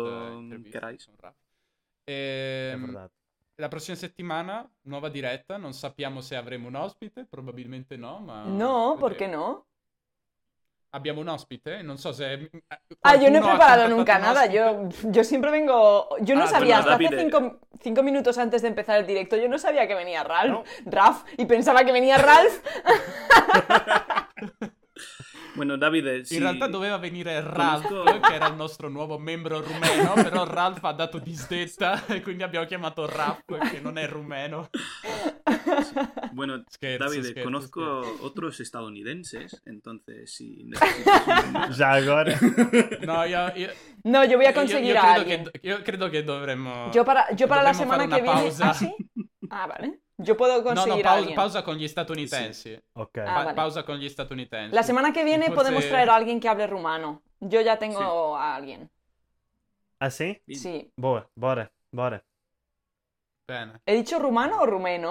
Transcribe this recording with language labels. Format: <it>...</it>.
<it>questa intervista. Quando la prossima settimana, nuova diretta, non sappiamo se avremo un ospite, probabilmente no, ma... No, perché no? Abbiamo un ospite? Non so se... Ah, io non ho preparato</it> <es>nunca nada. Yo siempre vengo... Yo no sabía, bueno, hasta hace cinco minutos antes de empezar el directo, yo no sabía que venía Ralph, ¿no? Raph, y pensaba que venía Ralph. Bueno, Davide, sì.</es> <it>In realtà doveva venire Ralph, conosco... che era il nostro nuovo membro rumeno, però Ralph ha dato disdetta e quindi abbiamo chiamato Raph, che non è rumeno. Sì.</it> <es>Bueno,</es> <it>scherzo, Davide, scherzo, conosco scherzo.</it> <es>Otros estadounidenses, entonces sí. Necesito... Già, agora.</es> <it>No, io...</it> <es>No, yo voy a conseguir a alguien. Yo creo que</es> <it>dovremmo...</it> <es>Yo para la semana que viene...</es> <it>Pausa.</it> <es>Ah, sí? Ah, vale. Yo puedo conseguir a alguien.</es> <it>Pausa con gli statunitensi.</it> <es>Sí. Ok.</es> <it>Pausa con gli statunitensi.</it> <es>La semana que viene podemos traer a alguien que hable rumano. Yo ya tengo a alguien. ¿Ah, sí? Sí.</es> <pt>Boa, bora, bora.</pt> <it>Bene.</it> <es>¿He dicho rumano o rumeno?</es>